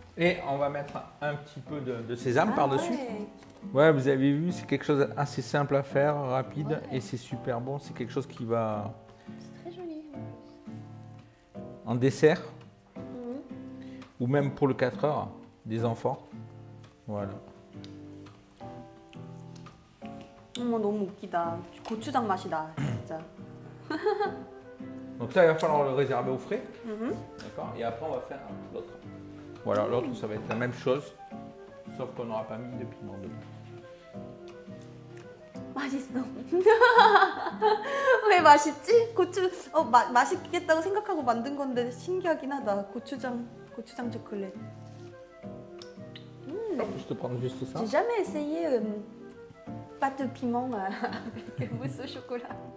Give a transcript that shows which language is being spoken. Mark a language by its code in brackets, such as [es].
[fr] Et on va mettre un petit peu de sésame par-dessus. Ouais. Ouais, vous avez vu, c'est quelque chose d'assez simple à faire, rapide, ouais. Et c'est super bon. C'est quelque chose qui va. C'est très joli. En dessert. Mmh. Ou même pour le 4 heures des enfants. Voilà. [ko] Oh, 너무 웃기다. 고추장 맛이다, 진짜. [fr] Donc ça, il va falloir le réserver au frais. Mm-hmm. D'accord. Et après, on va faire l'autre. Voilà, l'autre, ça va être la même chose, sauf qu'on n'aura pas mis de piment dedans. Maison. [ko] 왜 맛있지? 고추 어 마, 맛있겠다고 생각하고 만든 건데 신기하긴 하다. 고추장 고추장 초콜릿. [fr] 주스 prendre juste ça. J'ai jamais essayé pâte de piment avec mousse au chocolat.